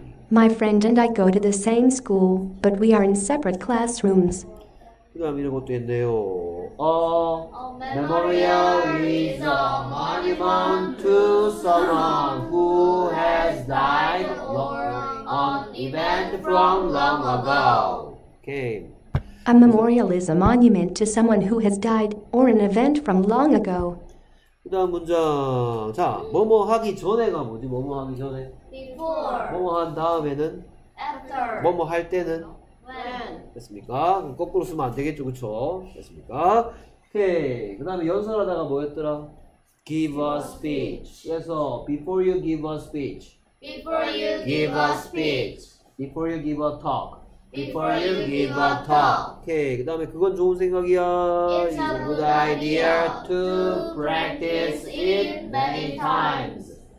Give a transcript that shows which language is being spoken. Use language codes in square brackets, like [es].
[en] My friend and I go to the same school, but we are in separate classrooms. [ko] 그 다음 이런 것도 있네요. [en] A memorial is a monument to someone who has died or an event from long ago. Okay. A memorial is a monument to someone who has died or an event from long ago. [ko] 그 다음 문장. 자, 뭐뭐 하기 전에가 뭐지? 뭐뭐 하기 전에? [en] Before. [ko] 뭐뭐 한 다음에는? [en] After. [ko] 뭐뭐 할 때는? [en] When. [ko] 됐습니까? 그럼 거꾸로 쓰면 안 되겠죠, 그쵸? 됐습니까? 오케이. 그 다음에 연설하다가 뭐였더라? [en] Give a speech. [ko] 그래서 [en] before you give a speech. Before you give a speech. Before you give a talk. Before you give a talk. 오케이. [ko] 그 다음에 그건 좋은 생각이야. [en] It's a good idea to practice it many times.